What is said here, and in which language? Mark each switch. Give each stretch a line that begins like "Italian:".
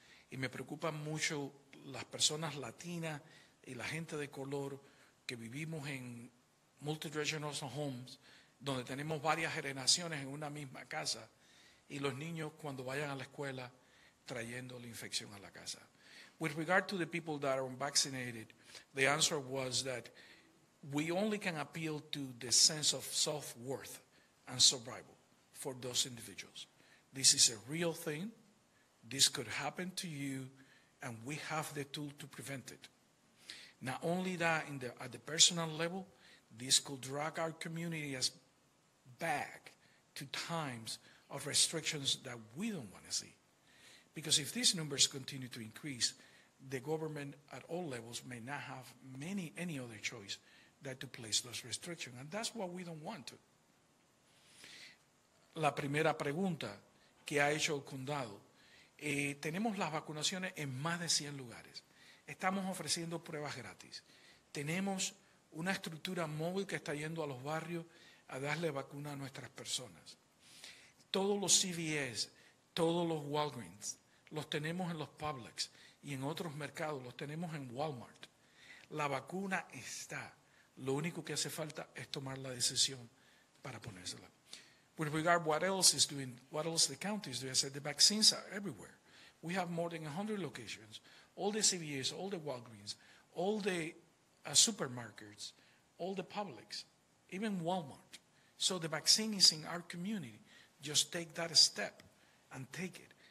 Spanish: Y me preocupan mucho las personas latinas y la gente de color que vivimos en
English: multi-regional homes,
Spanish: donde tenemos varias generaciones en una misma casa, y los niños cuando vayan a la escuela trayendo la infección a la casa.
English: With regard to the people that are unvaccinated, the answer was that we only can appeal to the sense of self-worth and survival for those individuals. This is a real thing. This could happen to you, and we have the tool to prevent it. Not only that, at the personal level, this could drag our community as back to times of restrictions that we don't want to see. Because if these numbers continue to increase, the government at all levels may not have any other choice than to place those restrictions. And that's what we don't want to.
Spanish: La primera pregunta que ha hecho el condado. Tenemos las vacunaciones en más de 100 lugares. Estamos ofreciendo pruebas gratis. Tenemos una estructura móvil que está yendo a los barrios a darle vacuna a nuestras personas. Todos los CVS, todos los Walgreens, los tenemos en los Publix y en otros mercados, los tenemos en Walmart. La vacuna está. Lo único que hace falta es tomar la decisión para ponérsela.
English: With regard what else the county is doing, I said the vaccines are everywhere. We have more than 100 locations, all the CVS, all the Walgreens, all the supermarkets, all the Publix, even Walmart. So the vaccine is in our community. Just take that step and take it.